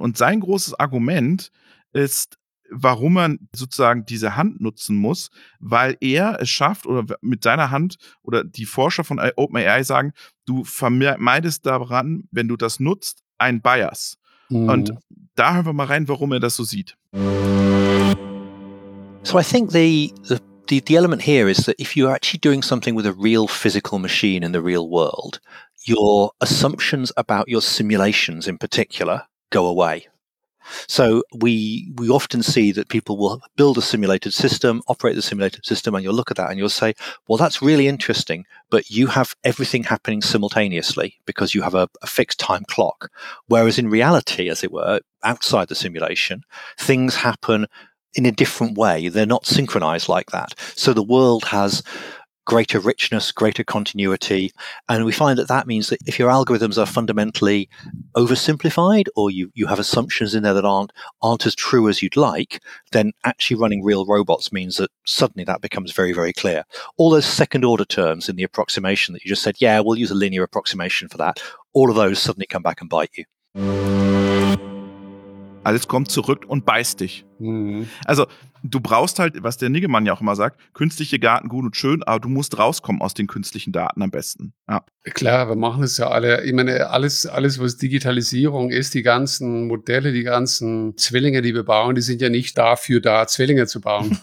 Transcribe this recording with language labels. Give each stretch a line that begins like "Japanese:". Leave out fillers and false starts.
German: Und sein großes Argument ist, warum man sozusagen diese Hand nutzen muss, weil er es schafft oder mit seiner Hand oder die Forscher von OpenAI sagen, du vermeidest daran, wenn du das nutzt, einen Bias. Und da hören wir mal rein, warum er das so sieht.
English: So I think the element here is that if you're actually doing something with a real physical machine in the real world, your assumptions about your simulations in particular go away. So we often see that people will build a simulated system, operate the simulated system, and you'll look at that and you'll say, well, that's really interesting, but you have everything happening simultaneously because you have a fixed time clock. Whereas in reality, as it were, outside the simulation, things happen in a different way. They're not synchronized like that. So the world has greater richness, greater continuity. And we find that that means that if your algorithms are fundamentally oversimplified or you have assumptions in there that aren't as true as you'd like, then actually running real robots means that suddenly that becomes very, very clear. All those second order terms in the approximation that you just said, yeah, we'll use a linear approximation for that. All of those suddenly come back and bite you.
German: Alles kommt zurück und beißt dich. Also du brauchst halt, was der Niggemann ja auch immer sagt, künstliche Daten gut und schön, aber du musst rauskommen aus den künstlichen Daten am besten. Ja. Klar, wir machen es ja alle. Ich meine, alles, was Digitalisierung ist, die ganzen Modelle, die ganzen Zwillinge, die wir bauen, die sind ja nicht dafür da, Zwillinge zu bauen.